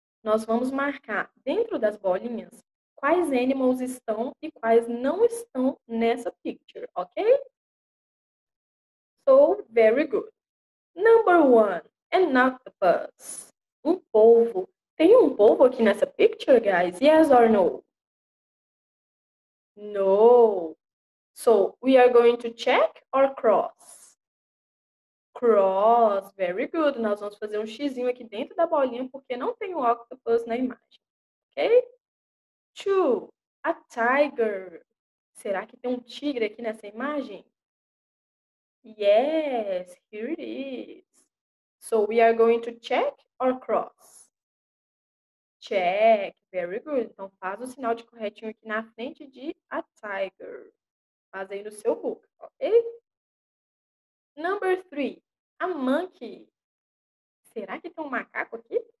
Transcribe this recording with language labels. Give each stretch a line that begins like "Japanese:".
Portuguese: Nós vamos marcar dentro das bolinhas quais animals estão e quais não estão nessa picture, ok?
English: So, very good. Number one, an octopus.
Portuguese: Um polvo. Tem um polvo aqui nessa picture, guys?
English: Yes or no? No. So, we are going to check or cross? Cross. Very good.
Portuguese: Nós vamos fazer um xizinho aqui dentro da bolinha porque não tem o octopus na imagem. Ok?
English: Two, a tiger.
Portuguese: Será que tem um tigre aqui nessa imagem?
English: Yes, here it is. So we are going to check or cross? Check, very good.
Portuguese: Então faz o sinal de corretinho aqui na frente de
English: a tiger.
Portuguese: Faz aí no seu book, ok?
English: Number three, a monkey.
Portuguese: Será que tem um macaco aqui?